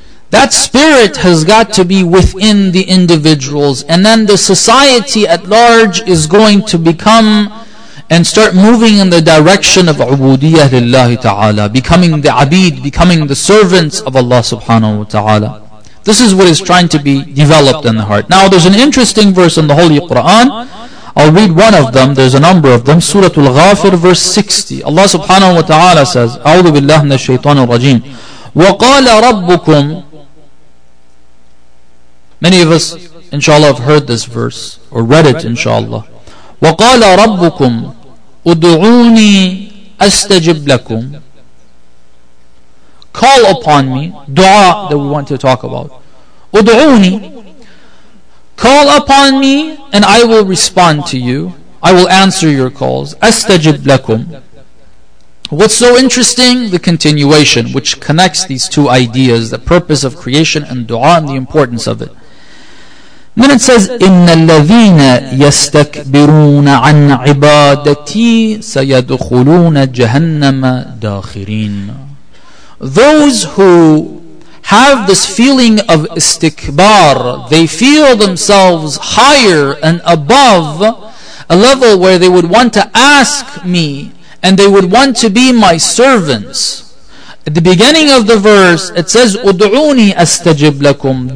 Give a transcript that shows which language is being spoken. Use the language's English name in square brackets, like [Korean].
[English] That spirit has got to be within the individuals, and then the society at large is going to become and start moving in the direction of ubudiyyah lillahi ta'ala, becoming the abid, becoming the servants of Allah subhanahu wa ta'ala. This is what is trying to be developed in the heart. Now there's an interesting verse in the Holy Quran. I'll read one of them, there's a number of them. Suratul Ghafir, verse 60. Allah subhanahu wa ta'ala says, [Arabic] أعوذ بالله من الشيطان الرجيم وقال ربكم. [English] Many of us, inshallah, have heard this verse or read it, inshallah. [Arabic] وَقَالَ رَبُّكُمْ Udu'uni astajib lakum. [English] Call upon me. Dua that we want to talk about. Udu'uni. Call upon me and I will respond to you. I will answer your calls. [Arabic] Astajib lakum. [English] What's so interesting? The continuation, which connects these two ideas, the purpose of creation and dua and the importance of it. Then it says, [Arabic] إِنَّ الَّذِينَ يَسْتَكْبِرُونَ عَنْ عِبَادَتِي سَيَدْخُلُونَ جَهَنَّمَ دَاخِرِينَ. [English] Those who have this feeling of istikbar, they feel themselves higher and above a level where they would want to ask me and they would want to be my servants. At the beginning of the verse, it says, [Arabic] "Udu'uni astajib lakum."